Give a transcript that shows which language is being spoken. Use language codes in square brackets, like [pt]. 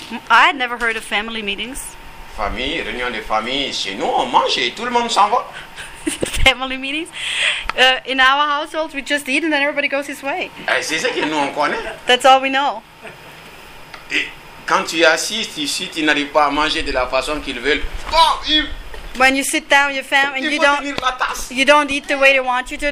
[en] I had never heard of family meetings. [fr] Famille, réunion de famille, chez nous, on mange et tout le monde s'en va. [en] Family meetings. In our household, we just eat and then everybody goes his way. [fr] C'est ça que nous on connaît. [en] That's all we know. [fr] Et quand tu assistes ici, tu n'arrives pas à manger de la façon qu'ils veulent. Oh, [en] when you sit down, your family, you don't eat the way they want you to.